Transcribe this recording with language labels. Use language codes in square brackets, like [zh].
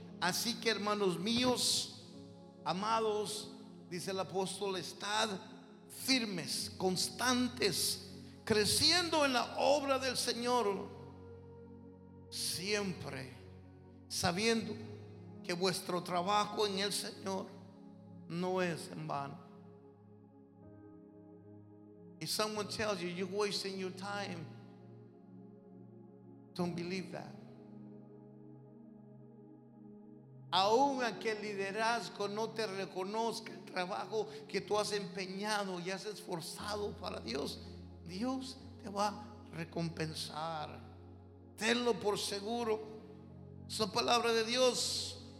[es] Así que, hermanos míos, amados, dice el apóstol, estad firmes, constantes, creciendo en la obra del Señor, siempre sabiendo que vuestro trabajo en el Señor no es en vano. [en] If someone tells you you're wasting your time, don't believe that. [es] Aún aunque el liderazgo no te reconozca el trabajo que tú has empeñado y has esforzado para Dios, Dios te va a recompensar. Tenlo por seguro. Esa palabra de Dios.